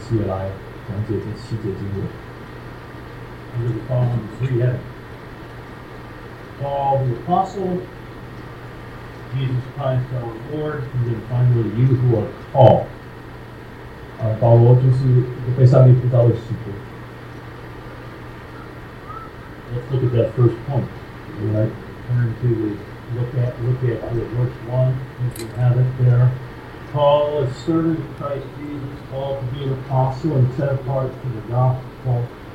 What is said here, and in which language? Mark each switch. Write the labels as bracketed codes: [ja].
[zh] 罗马书在过去的历史当中不断不断地改变教会，我相信罗马书已经改变你的生命，所以今天早上我要仔细地来讲解这七节经文。 [en] Under the following three headings, Paul the Apostle, Jesus Christ our Lord, and then finally you who are called. [zh] 保罗就是被上帝呼召的使徒。 [en] Let's look at that first point. Right. Turn to the look at verse 1, if you have it there. Paul, a servant of Christ Jesus, called to be an apostle and set apart for the gospel.